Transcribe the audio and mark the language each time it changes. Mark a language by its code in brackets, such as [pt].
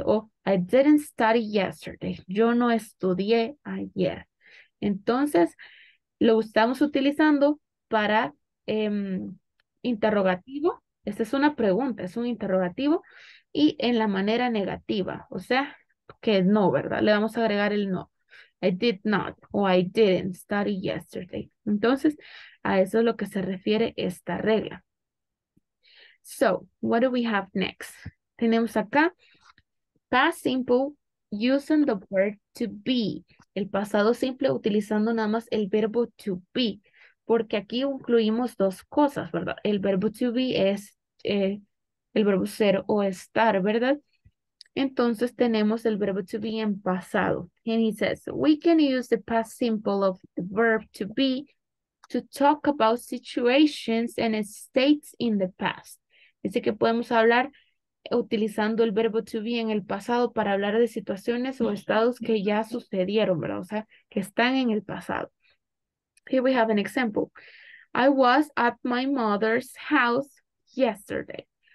[en] Oh, I didn't study yesterday. [es] Yo no estudié ayer. Entonces, lo estamos utilizando para interrogativo. Esta es una pregunta, es un interrogativo. Y en la manera negativa, o sea, que no, ¿verdad? Le vamos a agregar el no. [en] I did not o I didn't study yesterday. [es] Entonces, a eso es lo que se refiere esta regla. [en] So, what do we have next? [es] Tenemos acá, [en] past simple using the verb to be. [es] El pasado simple utilizando nada más el verbo to be. Porque aquí incluimos dos cosas, ¿verdad? El verbo to be es el verbo ser o estar, ¿verdad? Entonces tenemos el verbo to be en pasado. [en] And he says, we can use the past simple of the verb to be to talk about situations and states in the past. [es] Dice que podemos hablar utilizando el verbo to be en el pasado para hablar de situaciones o estados que ya sucedieron, ¿verdad? O sea, que están en el pasado. [en] Here we have an example. I was at my mother's house yesterday.